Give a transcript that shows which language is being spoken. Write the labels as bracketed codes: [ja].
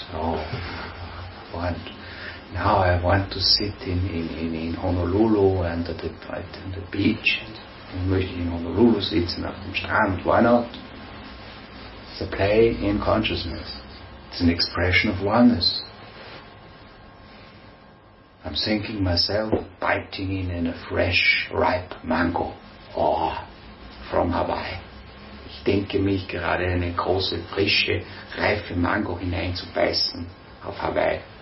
[en] Oh, and now I want to sit in Honolulu and at the beach. [de] Und möchte in Honolulu sitzen auf dem Strand. [en] Why not? It's a play in consciousness. It's an expression of oneness. I'm thinking myself biting in a fresh, ripe mango. Oh, from Hawaii. [de] Ich denke mich gerade in eine große, frische, reife Mango hineinzubeißen auf Hawaii.